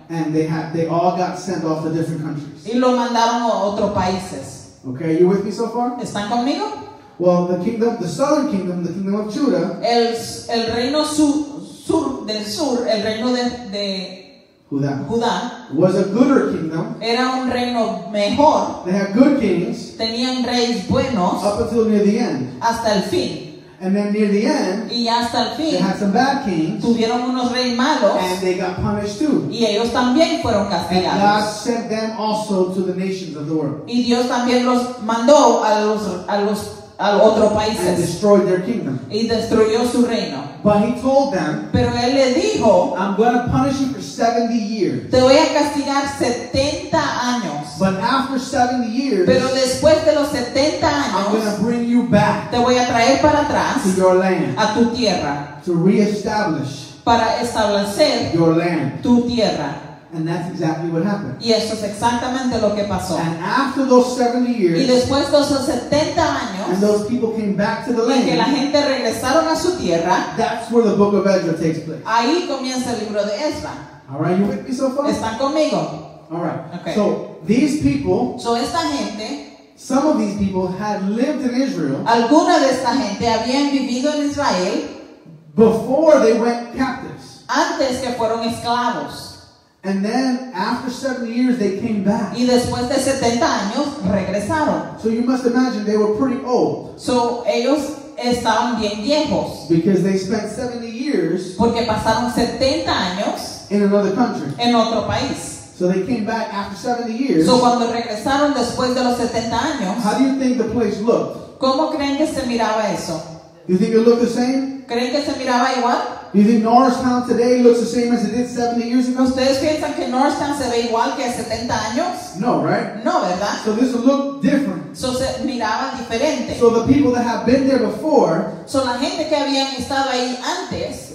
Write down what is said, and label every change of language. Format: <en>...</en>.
<en>And they all got sent off to different countries.</en> <es>Y lo mandaron a otros países.</es> <en>Okay, are you with me so far?</en> <es>¿Están conmigo?</es> <en>Well, the southern kingdom, the kingdom of Judah.</en> <es>El reino sur del sur, el reino de</es> <en>Judá. Was a gooder kingdom.</en> <es>Era un reino mejor.</es> <en>They had good kings.</en> <es>Tenían reyes buenos.</es> <en>Up until near the end.</en> <es>Hasta el fin.</es> <en>And then near the end,</en> <es>y hasta el fin,</es> <en>they had some bad kings.</en> <es>Tuvieron unos reyes malos,</es> <en>and they got punished too.</en> <es>Y ellos también fueron castigados.</es> <en>And God sent them also to the nations of the world.</en> <es>Y Dios también los mandó a otros países.</es> <en>And destroyed their kingdom.</en> <es>Y destruyó su reino.</es> <en>But he told them,</en> <es>pero él le dijo,</es> <en>I'm going to punish you for 70 years.</en> <es>Te voy a castigar 70 años.</es> <en>But after 70 years,</en> <es>pero después de los 70 años,</es> <en>I'm going to bring you back.</en> <es>Te voy a traer para atrás.</es> <en>To your land.</en> <es>A tu tierra.</es> <en>To reestablish.</en> <es>Para establecer.</es> <en>Your land.</en> <es>Tu tierra.</es> <en>And that's exactly what happened.</en> <es>Y eso es exactamente lo que pasó.</es> <en>And after those 70 years,</en> <es>y después de esos 70 años,</es> <en>and those people came back to the</en> <es>y</es> <en>land,</en> <es>que la gente regresaron a su tierra,</es> <en>that's where the book of Ezra takes place.</en> <es>Ahí comienza el libro de Ezra.</es> <en>All right, you with me so far?</en> <es>¿Están conmigo?</es> <en>All right. Okay. So these people,</en> <es>so esta gente,</es> <en>some of these people had lived in Israel.</en> <es>Alguna de esta gente habían vivido en Israel</es> <en>before they went captives.</en> <es>Antes que fueron esclavos.</es> <en>And then after 70 years they came back.</en> <es>Y después de 70 años regresaron.</es> <en>So you must imagine they were pretty old.</en> <es>So ellos estaban bien viejos.</es> <en>Because they spent 70 years.</en> <es>Porque pasaron 70 años</es> <en>in another country.</en> <es>En otro país.</es> <en>So they came back after 70 years.</en> <es>So cuando regresaron después de los 70 años.</es> <en>How do you think the place looked?</en> <es>¿Cómo creen que se miraba eso?</es> <en>You think it looked the same?</en> <es>¿Creen que se miraba igual?</es> <en>Do you think Norristown today looks the same as it did 70 years ago?</en> <es>¿Ustedes piensan que Norristown se ve igual que 70 años?</es> <en>No, right?</en> <es>No, ¿verdad?</es> <en>So this will look different.</en> <es>So se miraba diferente.</es> <en>So the people that have been there before,</en> <es>so la gente que habían estado ahí antes,</es>